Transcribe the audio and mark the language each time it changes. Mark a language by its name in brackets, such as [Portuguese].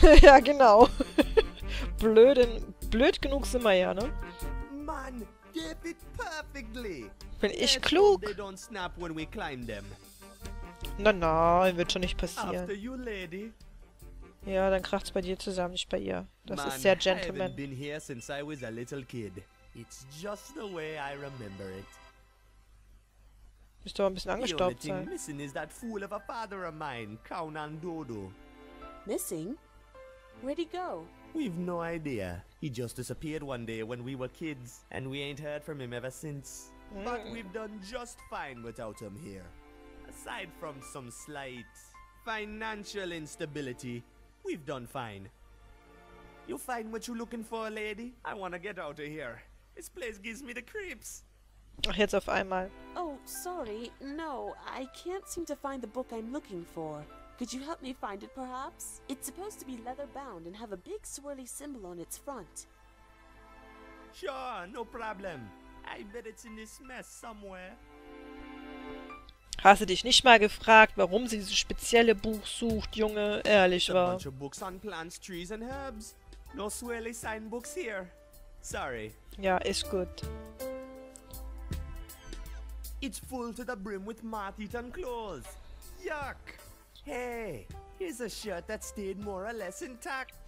[German] Ja, genau. Blöd genug sind wir ja, ne? [English] Man, they fit perfectly. [German] Bin ich klug? [English] They don't snap when we climb them. [German] Na, na, wird schon nicht passieren. [English] After you, lady. [German] Ja, dann kracht's bei dir zusammen, nicht bei ihr. Das Man, ist sehr gentleman. [English] I haven't been here since I was a little kid. It's just the way I remember it. Müsste aber ein bisschen angestaubt sein. The only thing missing is that fool of a father of mine, Kaunan Dodo. Missing? Where'd he go? We've no idea. He just disappeared one day when we were kids, and we ain't heard from him ever since. Mm. But we've done just fine without him here. Aside from some slight financial instability, we've done fine. You find what you're looking for, lady? I wanna get out of here. This place gives me the creeps. [German] Ach, jetzt auf einmal. [English] Oh, sorry. No, I can't seem to find the book I'm looking for. Could you help me find it, perhaps? It's supposed to be leather-bound and have a big swirly symbol on its front. Sure, no problem. I bet it's in this mess somewhere. [German] Hast du dich nicht mal gefragt, warum sie dieses spezielle Buch sucht, Junge? Ehrlich, wa? [English] A bunch of books on plants, trees and herbs. No swirly sign books here. Sorry. [German] Ja, ist gut. [English] It's full to the brim with moth-eaten claws. Yuck! Hey, here's a shirt that stayed more or less intact.